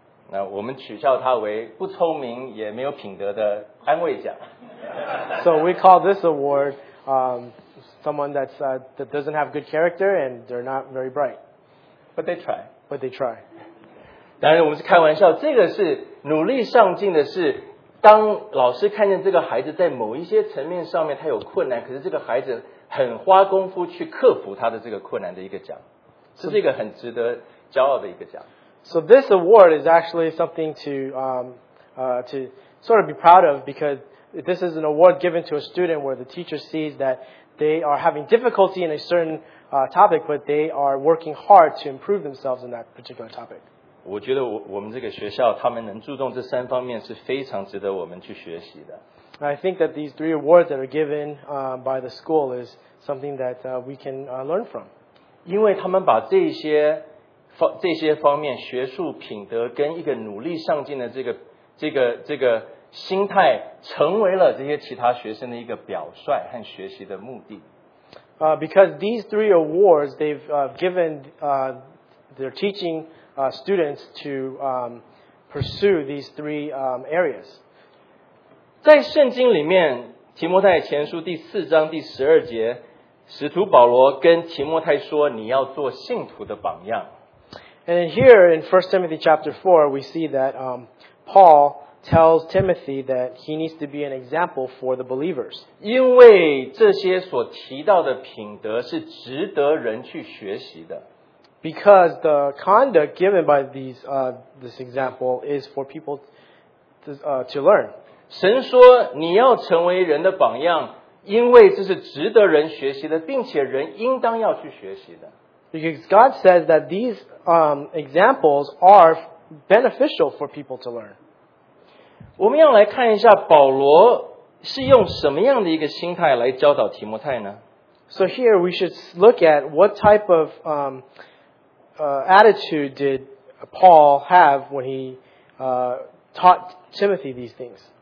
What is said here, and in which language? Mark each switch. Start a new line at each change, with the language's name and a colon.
Chinese: 那我们取笑他为不聪明也没有品德的安慰奖。
English: So we call this award someone that's, that doesn't have good character and they're not very bright. But they try. But they try.
Chinese: 当然我们是开玩笑，这个是努力上进的是当老师看见这个孩子在某一些层面上面他有困难，可是这个孩子很花功夫去克服他的这个困难的一个奖，这是一个很值得骄傲的一个奖。
English: So this award is actually something to sort of be proud of, because this is an award given to a student where the teacher sees that they are having difficulty in a certain topic, but they are working hard to improve themselves in that particular topic.
Chinese: 我觉得我们这个学校他们能注重这三方面是非常值得我们去学习的。
English: I think that these three awards that are given by the school is something that we can learn from.
Chinese: 因为他们把这些方面学术品德跟一个努力上进的这个心态成为了这些其他学生的一个表率和学习的目的。
English: Because these three awards, they've given their teaching students to pursue these three areas.
Chinese: 在圣经里面，提摩太前书第四章第十二节，使徒保罗跟提摩太说，你要做信徒的榜样。
English: And here in 1 Timothy chapter 4, we see that Paul tells Timothy that he needs to be an example for the believers.
Chinese: 因为这些所提到的品德是值得人去学习的。
English: Because the conduct given by these, this example is for people to learn.
Chinese: 神说你要成为人的榜样，因为这是值得人学习的，并且人应当要去学习的。
English: Because God says that these examples are beneficial for people to learn.
Chinese: 我们要来看一下保罗是用什么样的一个心态来教导提摩太呢？
English: So here we should look at what type of attitude did Paul have when he taught Timothy these things.